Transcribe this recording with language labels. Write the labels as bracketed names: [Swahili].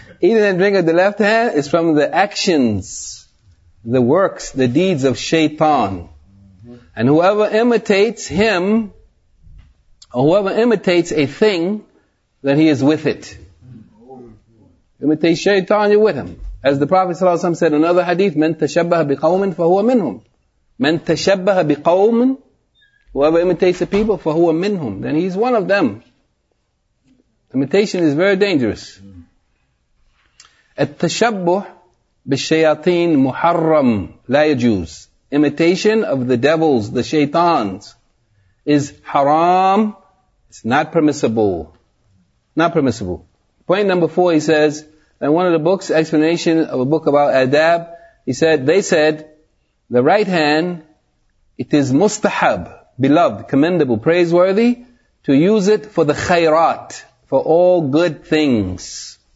[English] Eating and drinking with the left hand is from the actions, the works, the deeds of shaitan. And whoever imitates him, or whoever imitates a thing, then he is with it. Imitate shaitan, you're with him. As the Prophet ﷺ said in another hadith, [Arabic] من تشبه بقوم فهو منهم. من تشبه بقوم, [English] whoever imitates the people, [Arabic] فهو منهم. [English] Then he's one of them. Imitation is very dangerous. [Arabic] التشبه بالشياطين محرم لا يجوز. [English] Imitation of the devils, the shaitans, is haram. It's not permissible. Not permissible. Point number four, he says, in one of the books, explanation of a book about adab, he said, they said, the right hand, it is mustahab, beloved, commendable, praiseworthy, to use it for the khayrat, for all good things.